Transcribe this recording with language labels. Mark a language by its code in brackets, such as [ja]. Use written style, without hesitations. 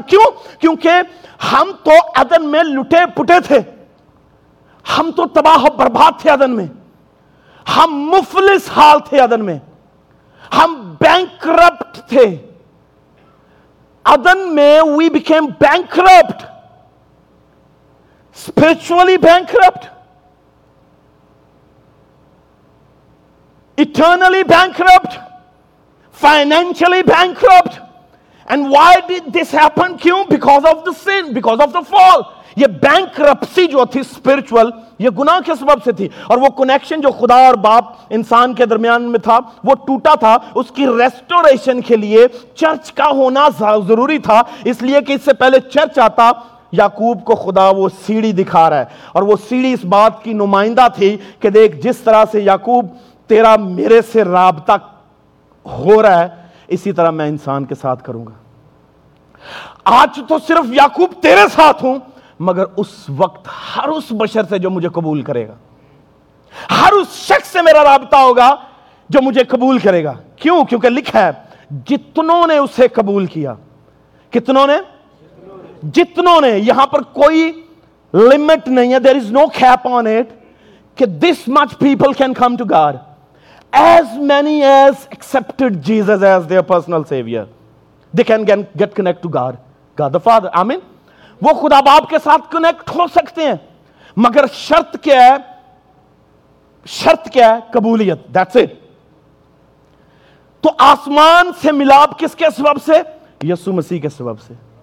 [ur] کیوں؟ کیونکہ ہم تو عدن میں لٹے پٹے تھے, ہم تو تباہ و برباد تھے عدن میں, ہم مفلس حال تھے عدن میں, ہم بینکرپٹ تھے عدن میں. [en] We became bankrupt spiritually, bankrupt eternally, bankrupt financially bankrupt. And why did this happen? [ur] کیوں؟ [en] because of the sin, because of the fall. [ur] یہ bankruptcy جو تھی spiritual, یہ گناہ کے سبب سے تھی. اور وہ connection جو خدا اور باپ انسان کے درمیان میں تھا وہ ٹوٹا تھا. اس کی ریسٹوریشن کے لیے چرچ کا ہونا ضروری تھا, اس لیے کہ اس سے پہلے چرچ آتا یعقوب کو خدا وہ سیڑھی دکھا رہا ہے. اور وہ سیڑھی اس بات کی نمائندہ تھی کہ دیکھ جس طرح سے یعقوب تیرا میرے سے رابطہ ہو رہا ہے اسی طرح میں انسان کے ساتھ کروں گا. آج تو صرف یعقوب تیرے ساتھ ہوں, مگر اس وقت ہر اس بشر سے جو مجھے قبول کرے گا, ہر اس شخص سے میرا رابطہ ہوگا جو مجھے قبول کرے گا. کیوں؟ کیونکہ لکھا ہے جتنوں نے اسے قبول کیا. کتنوں نے؟ جتنوں نے. یہاں پر کوئی لمٹ نہیں ہے, [en] there is no cap on it, [ur] کہ [en] This much people can come to God. As many as accepted Jesus as their personal savior, they can get connect to God, God the Father. Amen. [ur] وہ خدا باپ کے ساتھ کنیکٹ ہو سکتے ہیں, مگر شرط کیا ہے؟ شرط کیا ہے؟ قبولیت. [en] That's it. [ur] تو آسمان سے ملاب کس کے سبب سے؟ یسوع مسیح کے سبب سے.